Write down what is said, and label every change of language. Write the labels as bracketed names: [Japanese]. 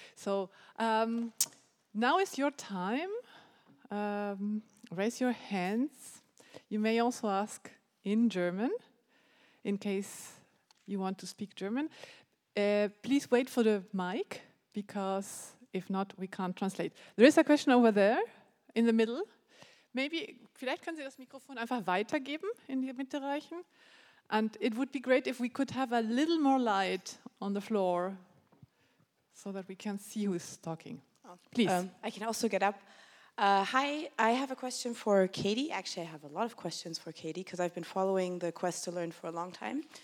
[English] So now is your time. Raise your hands. You may also ask in German, in case you want to speak German. Please wait for the mic, because if not, we can't translate. There is a question over there, in the middle. Maybe, [German] vielleicht können Sie das Mikrofon einfach weitergeben, in die Mitte reichen. [English] And it would be great if we could have a little more light on the floor so that we can see who is talking. Please. I can also get up. Hi, I have a question for Katie. Actually, I have a lot of questions for Katie because I've been following the Quest to Learn for a long time.